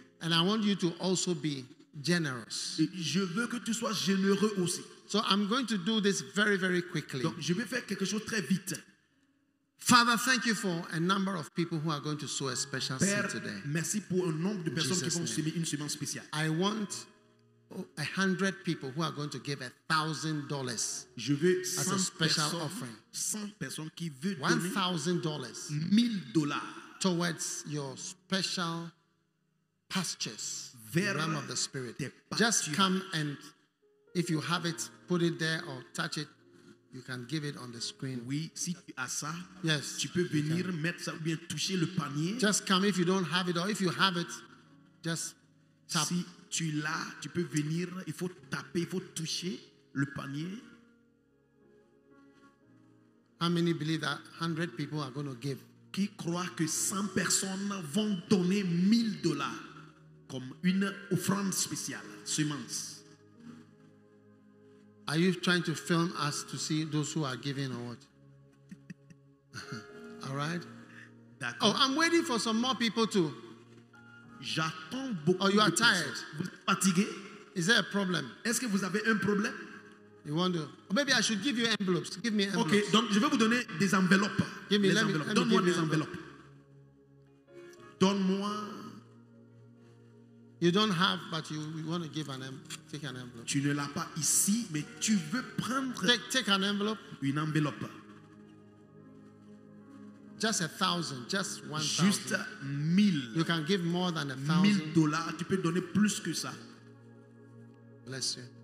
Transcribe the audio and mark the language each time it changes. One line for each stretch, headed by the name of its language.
English: And I want you to also be generous.
French: Et je veux que tu sois généreux aussi.
English: So I'm going to do this very, very quickly.
French: Donc, je vais faire quelque chose très vite.
English: Father, thank you for a number of people who are going to sow a special
French: Père,
English: seed today.
French: Merci pour un nombre de personnes qui vont semer une semence spéciale.
English: I want 100 people who are going to give $1,000 as a special offering.
French: 100 personnes qui veulent
English: $1,000. $1,000 towards your special pastures, the realm of the spirit. Just come and if you have it, put it there or touch it. You can give it on the screen.
French: Oui, si tu as ça,
English: yes,
French: tu peux venir mettre ça ou bien toucher le panier.
English: Just come if you don't have it or if you have it, just tap.
French: Si tu l'as, tu peux venir, il faut taper, il faut toucher le panier.
English: How many believe that 100 people are going to give?
French: Qui croit que 100 personnes vont donner $1,000 comme une offrande spéciale, semence?
English: Are you trying to film us to see those who are giving or what? All right.
French: D'accord.
English: Oh, I'm waiting for some more people to.
French: J'attends beaucoup.
English: Oh, you are tired.
French: Vous êtes fatigué?
English: Is there a problem?
French: Est-ce que vous avez un problème?
English: You wonder. Or maybe I should give you envelopes. Give me envelopes.
French: Okay. Donc je vais vous donner des enveloppes.
English: Give me
French: des enveloppes. Donne-moi des enveloppes. Donne-moi.
English: You don't have, but you want to give an envelope. Take an envelope.
French: Tu ne l'as pas ici, mais tu veux prendre.
English: Take an envelope.
French: Une enveloppe.
English: Just 1,000. Just 1,000.
French: Juste 1,000.
English: You can give more than 1,000.
French: $1,000. Tu peux donner plus que ça.
English: Bless you.